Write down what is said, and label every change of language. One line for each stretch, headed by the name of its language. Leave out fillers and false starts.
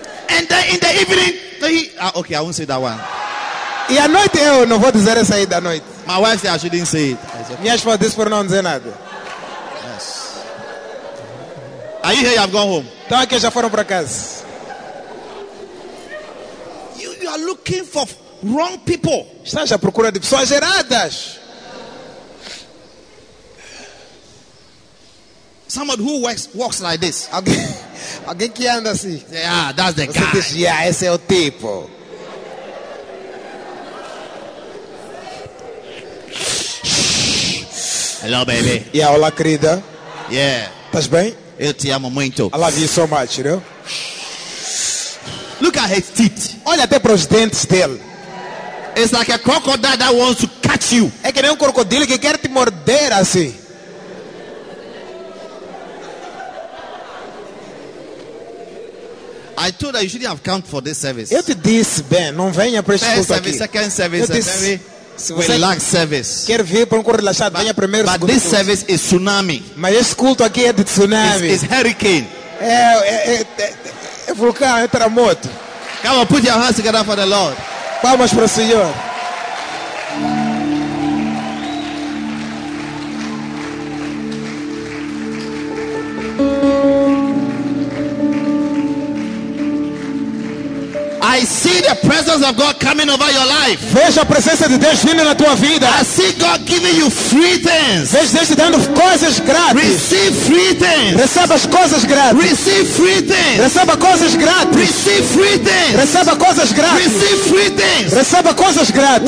English: And then in the evening, okay, I won't say that one.
Portuguese: E à noite eu não vou dizer essa aí da noite.
English: My wife said I shouldn't say it.
Portuguese: Minha esposa disse por não dizer nada.
English: Yes. Are you here? I've gone home.
Portuguese: Então aqui já foram para casa.
English: You are looking for wrong people.
Portuguese: Estás à procura de pessoas erradas.
English: Someone who walks like this.
Portuguese: Alguém que anda assim.
English: Yeah, that's the
Portuguese: Você
English: guy.
Portuguese: Diz, yeah, esse é o tipo.
English: Hello, baby.
Portuguese: Yeah, olá, querida.
English: Yeah.
Portuguese: Estás bem? Eu te amo muito.
English: I love you so much, you know? Look at his teeth.
Portuguese: Olha até para os dentes dele.
English: It's like a crocodile that wants to catch you.
Portuguese: É que nem um crocodilo que quer te morder assim.
English: I told her you shouldn't have come for this service.
Portuguese: Eu te disse, Ben, não venha para este culto aqui.
English: First service, second service, a very relaxed service.
Portuguese: Quer vir para um culto relaxado, venha primeiro.
English: But this service is tsunami.
Portuguese: Mas este culto aqui é de tsunami.
English: It's hurricane.
Portuguese: É vulcão, é terremoto.
English: Come on, put your hands together for the Lord.
Portuguese: Palmas para o Senhor.
English: I see the presence of God coming over your life.
Portuguese: Vejo a presença de Deus vindo na tua vida.
English: I see God giving you free things.
Portuguese: Vejo Deus te dando coisas grátis.
English: Receive free things.
Portuguese: Receba as coisas grátis.
English: Receive free things.
Portuguese: Receba coisas grátis.
English: Receive free things.
Portuguese: Receba coisas grátis.
English: Receive free things.
Portuguese: Receba coisas grátis.